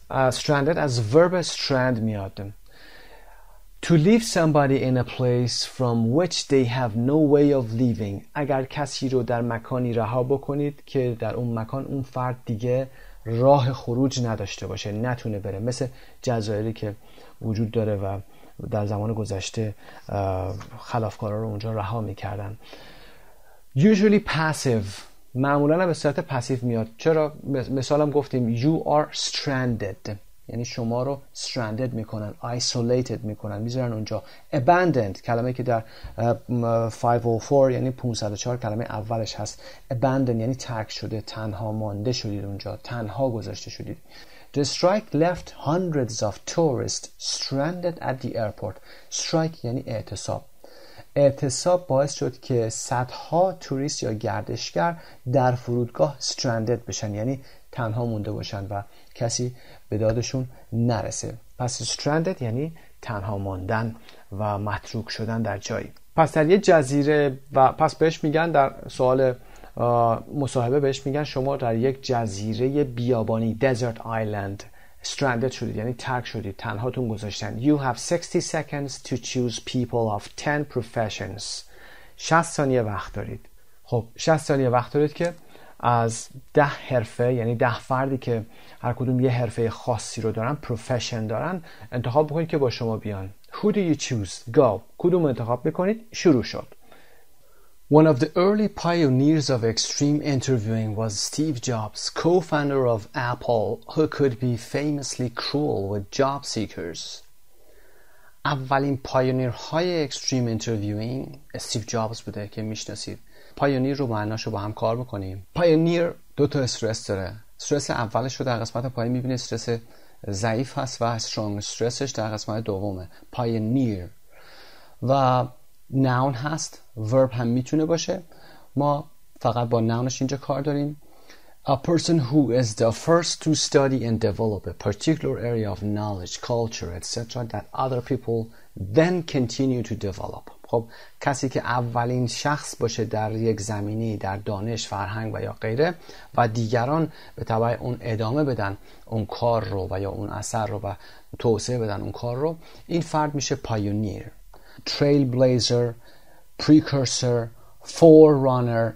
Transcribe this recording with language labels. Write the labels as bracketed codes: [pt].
[en] Stranded as verb strand [fa] میاد. [en] To leave somebody in a place from which they have no way of leaving. [fa] اگر کسی رو در مکانی رها بکنید که در اون مکان اون فرد دیگه راه خروج نداشته باشه، نتونه بره، مثل جزایری که وجود داره و در زمان گذشته خلافکارا رو اونجا رها میکردن. [en] Usually passive، [fa] معمولا به صورت پسیو میاد. چرا؟ مثالم گفتیم [en] you are stranded، [fa] یعنی شما رو stranded میکنن، isolated میکنن، میذارن اونجا. abandoned، کلمه که در 504 یعنی 504 کلمه اولش هست. abandoned یعنی ترک شده، تنها مانده شدید اونجا، تنها گذاشته شدید. [en] The strike left hundreds of tourists stranded at the airport. [fa] strike یعنی اعتصاب. اعتصاب باعث شد که صدها توریست یا گردشگر در فرودگاه stranded بشن، یعنی تنها مونده باشن و کسی به دادشون نرسه. پس stranded یعنی تنها ماندن و متروک شدن در جایی. پس در یه جزیره و پس بهش میگن در سوال مصاحبه بهش میگن شما در یک جزیره بیابانی desert island stranded شدید، یعنی ترک شدید، تنهاتون گذاشتن. [en] You have 60 seconds to choose people of 10 professions. [fa] 60 ثانیه وقت دارید. خب 60 ثانیه وقت دارید که از 10 حرفه، یعنی 10 فردی که هر کدوم یه حرفه خاصی رو دارن، profession دارن، انتخاب بکنید که با شما بیان. [en] Who do you choose? Go. [fa] کدوم انتخاب بکنید؟ شروع شد. [en] One of the early pioneers of extreme interviewing was Steve Jobs, co-founder of Apple, who could be famously cruel with job seekers. [fa] اولین پایونیر های extreme interviewing استیو جابز بوده که میشناسید. پایونیر رو معناش رو با هم کار بکنیم. پایونیر دو تا استرس داره. استرس اولش رو در قسمت پایین میبینید، استرس ضعیف هست و strong استرسش در قسمت دومه. پایونیر و noun هست، verb هم میتونه باشه، ما فقط با nounش اینجا کار داریم. [en] A person who is the first to study and develop a particular area of knowledge, culture, etc. that other people then continue to develop. [fa] خب کسی که اولین شخص باشه در یک زمینه، در دانش، فرهنگ و یا غیره، و دیگران به تبع اون ادامه بدن اون کار رو و یا اون اثر رو و توسعه بدن اون کار رو، این فرد میشه پایونیر، تریل بلیزر، پریکرسر، فور رانر.